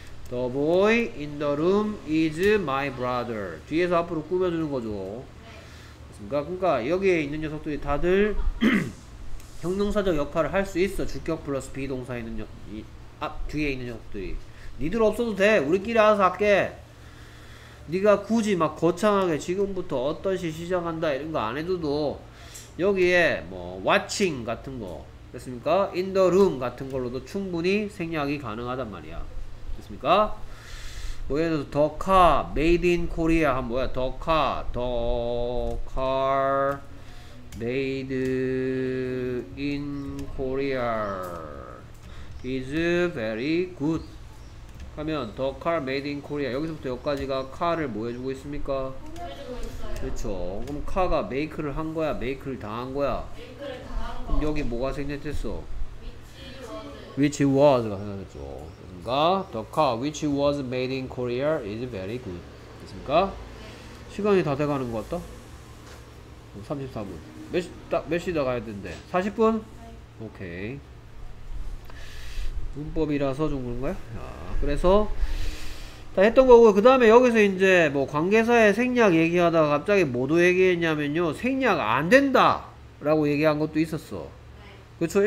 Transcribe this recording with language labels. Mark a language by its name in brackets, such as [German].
[English] The boy in the room is my brother. [Korean] 뒤에서 앞으로 꾸며주는 거죠. 그러니까 여기에 있는 녀석들이 다들 형용사적 역할을 할 수 있어. 주격 플러스 비동사 있는 뒤에 있는 녀석들이. 니들 없어도 돼. 우리끼리 알아서 할게. 네가 굳이 막 거창하게 지금부터 어떤 시 시작한다 이런 거 안 해도 여기에 뭐 watching 같은 거 됐습니까? in the room 같은 걸로도 충분히 생략이 가능하단 말이야. 됐습니까? 뭐 예를 들어서 [English] the car made in Korea 한 뭐야? the car made in Korea is very good [Korean] 하면 the car made in Korea 여기서부터 여기까지가 car를 뭐 해주고 있습니까? 그렇죠. 그럼 카가 메이크를 한 거야? 메이크를 당한 거야? 메이크를 그럼 여기 뭐가 생략됐어? [English] Which was가 [Korean] 생략됐죠. 그러니까 [English] the car which was made in Korea is very good. [Korean] 됐습니까? 네. 시간이 다 돼가는 것 같다? 34분. 몇 시 더 가야 되는데? 40분? 네. 오케이. 문법이라서 좀 그런 거야? 야, 그래서 다 했던 거고 그 다음에 여기서 이제 뭐 관계사의 생략 얘기하다가 갑자기 뭐도 얘기했냐면요 생략 안 된다 라고 얘기한 것도 있었어. 그렇죠.